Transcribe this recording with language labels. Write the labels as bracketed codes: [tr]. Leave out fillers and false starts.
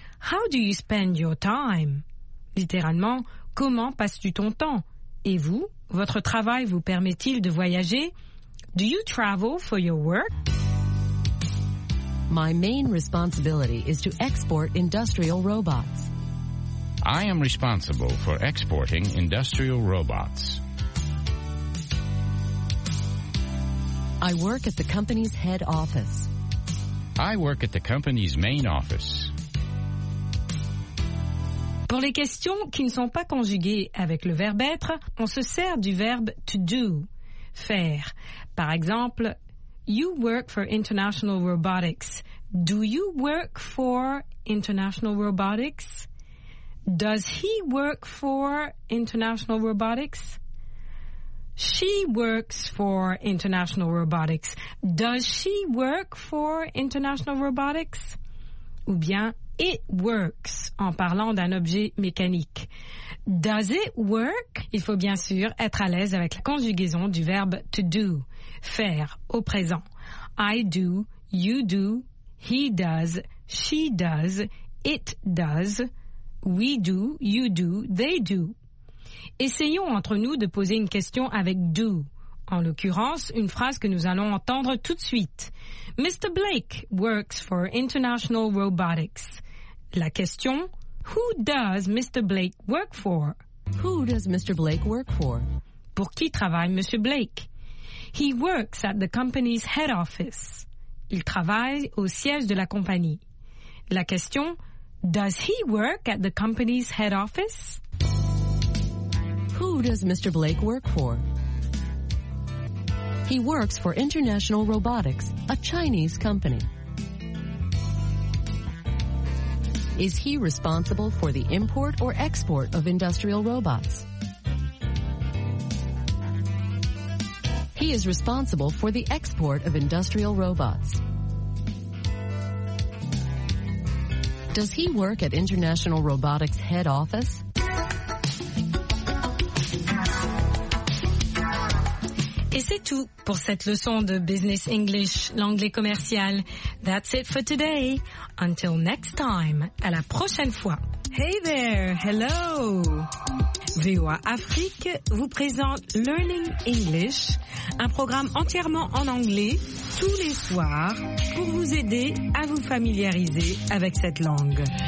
[en] How do you spend your time? [fr] Littéralement, comment passes-tu ton temps? Et vous, votre travail vous permet-il de voyager? [en] Do you travel for your work? My main responsibility is to export industrial robots. I am responsible for exporting industrial robots. I work at the company's head office. I work at the company's main office. [fr] Pour les questions qui ne sont pas conjuguées avec le verbe être, on se sert du verbe to do, faire. Par exemple, [en] You work for International Robotics. Do you work for International Robotics? Does he work for International Robotics? She works for International Robotics. Does she work for International Robotics? [fr] Ou bien, [en] it works, [fr] en parlant d'un objet mécanique. [en] Does it work? [fr] Il faut bien sûr être à l'aise avec la conjugaison du verbe to do, faire, au présent. [en] I do, you do, he does, she does, it does, we do, you do, they do. [fr] Essayons entre nous de poser une question avec « do ». En l'occurrence, une phrase que nous allons entendre tout de suite. [en] « Mr. Blake works for International Robotics ». [fr] La question [en] « Who does Mr. Blake work for ?»« Who does Mr. Blake work for ?» [fr] Pour qui travaille Monsieur Blake ?« [en] He works at the company's head office ». [fr] Il travaille au siège de la compagnie. La question [en] « Does he work at the company's head office ?» Who does Mr. Blake work for? He works for International Robotics, a Chinese company. Is he responsible for the import or export of industrial robots? He is responsible for the export of industrial robots. Does he work at International Robotics head office? [fr] Et c'est tout pour cette leçon de Business English, l'anglais commercial. [en] That's it for today. Until next time, [fr] à la prochaine fois. [en] Hey there, hello. [fr] VOA Afrique vous présente Learning English, un programme entièrement en anglais, tous les soirs, pour vous aider à vous familiariser avec cette langue.